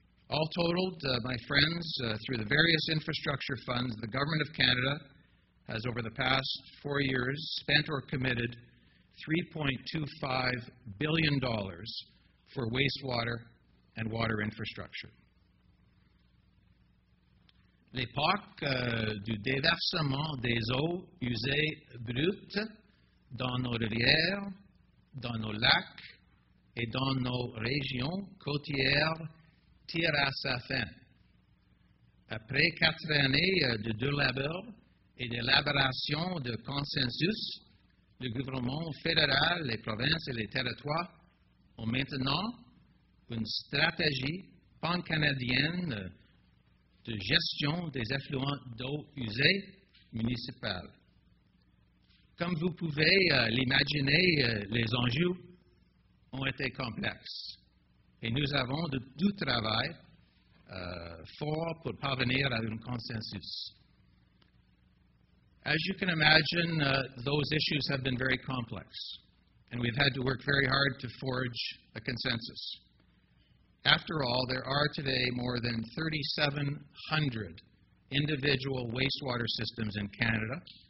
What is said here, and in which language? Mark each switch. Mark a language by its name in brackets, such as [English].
[English] All totaled, my friends, through the various infrastructure funds, the Government of Canada has over the past 4 years spent or committed $3.25 billion for wastewater and water infrastructure. [French] L'époque du déversement des eaux usées brutes dans nos rivières, dans nos lacs et dans nos régions côtières tire à sa fin. Après 4 années de dur labeur et d'élaboration de consensus, le gouvernement fédéral, les provinces et les territoires ont maintenant une stratégie pan-canadienne de gestion des effluents d'eau usée municipale. Comme vous pouvez l'imaginer, les enjeux ont été complexes et nous avons du travail fort pour parvenir à un consensus. [English] As you can imagine, those issues have been very complex, and we've had to work very hard to forge a consensus. After all, there are today more than 3,700 individual wastewater systems in Canada.